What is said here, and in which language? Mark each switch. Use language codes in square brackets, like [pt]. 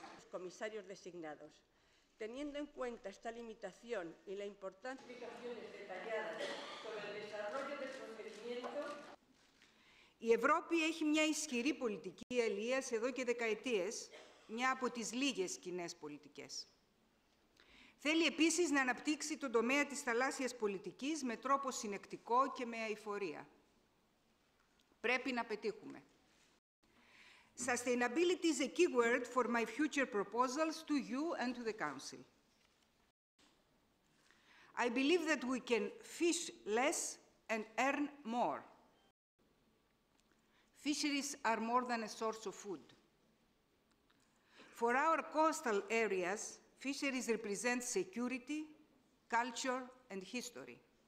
[es] Comisarios designados. Teniendo en cuenta esta limitación y la importancia de explicaciones detalladas sobre el desarrollo del procedimiento. [el] Η Ευρώπη έχει μια ισχυρή πολιτική ελείας εδώ και δεκαετίες, μια από τις λίγες κοινές πολιτικές. Θέλει επίσης να αναπτύξει τον τομέα της θαλάσσιας πολιτικής με τρόπο συνεκτικό και με αειφορία. Πρέπει να πετύχουμε. [en] Sustainability is a key word for my future proposals to you and to the Council. I believe that we can fish less and earn more. Fisheries are more than a source of food. For our coastal areas, fisheries represent security, culture and history.